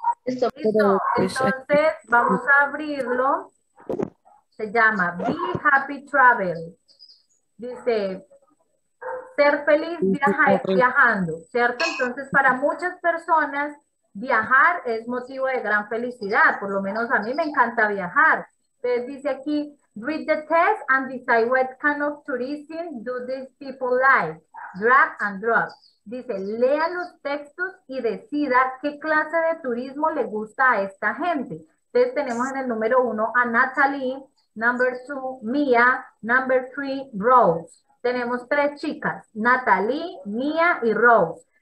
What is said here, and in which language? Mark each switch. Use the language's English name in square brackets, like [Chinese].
[Spanish] Listo. Entonces, vamos a abrirlo. Se llama Be Happy Travel. Dice, ser feliz viajando, ¿cierto? Entonces, para muchas personas, viajar es motivo de gran felicidad. Por lo menos a mí me encanta viajar. Entonces, dice aquí, [English] read the text and decide what kind of tourism do these people like. Drag and drop. [Spanish] Dice, lea los textos y decida qué clase de turismo le gusta a esta gente. Entonces tenemos en el número 1 a Natalie, number 2 Mia, number 3 Rose. Tenemos 3 chicas, Natalie, Mia y Rose.